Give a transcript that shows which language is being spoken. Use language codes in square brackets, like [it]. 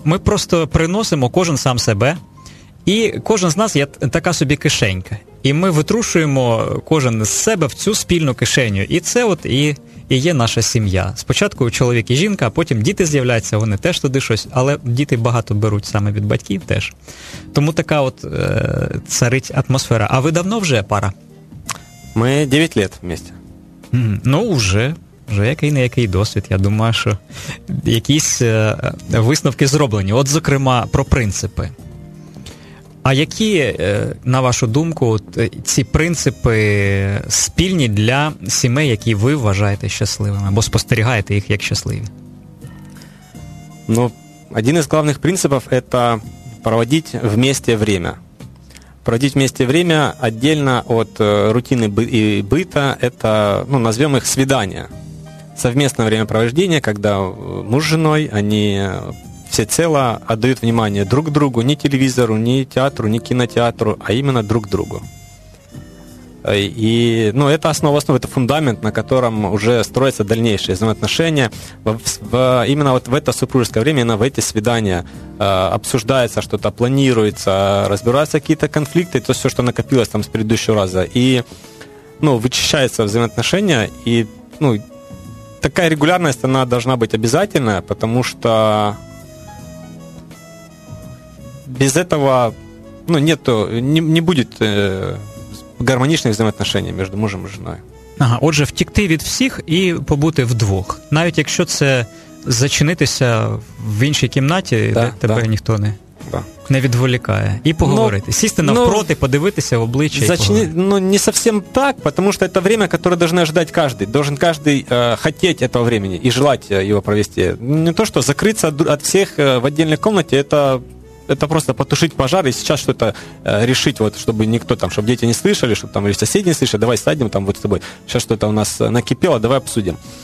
[uk] Ми просто приносимо кожен сам себе, і кожен з нас є така собі кишенька. І ми витрушуємо кожен з себе в цю спільну кишеню. І це от і є наша сім'я. Спочатку чоловік і жінка, а потім діти з'являються, вони теж туди щось, але діти багато беруть саме від батьків теж. Тому така от царить атмосфера. А ви давно вже пара? Ми 9 років в місті. Ну, вже який-не-який досвід. Я думаю, що якісь висновки зроблені. От, зокрема, про принципи. А які, на вашу думку, ці принципи спільні для сімей, які ви вважаєте щасливими, або спостерігаєте їх як щасливі? Ну, один із головних принципів – це проводити [ru] вместе время. Проводить вместе время отдельно от рутины и быта, это, ну, назовем их свидания. Совместное времяпровождение, когда муж с женой, они всецело отдают внимание друг другу, ни телевизору, ни театру, ни кинотеатру, а именно друг другу. И, ну, это основа, это фундамент, на котором уже строятся дальнейшие взаимоотношения. Именно вот в это супружеское время, именно в эти свидания обсуждается что-то, планируется, разбираются какие-то конфликты, то все, что накопилось там с предыдущего раза. И, ну, вычищаются взаимоотношения, и, ну, такая регулярность, она должна быть обязательная, потому что без этого, ну, не будет... [uk] гармонічних взаємовідносин між мужем і жінкою. Ага, отже, втікти від всіх і побути вдвох. Навіть якщо це зачинитися в іншій кімнаті, да, де тебе ніхто не відволікає. І поговорити. Ну, сісти навпроти, ну, подивитися в обличчя поговорити. Ну, не зовсім так, тому що це час, яке має чекати кожен. Должен кожен хотіти цього часу і желати його провести. [ru] Не то, [uk] що закритися від всіх в окремій кімнаті, [ru] это просто потушить пожар и сейчас что-то решить, вот, чтобы никто там, чтобы дети не слышали, чтобы там или соседи не слышали, давай садим там вот с тобой, сейчас что-то у нас накипело, давай обсудим.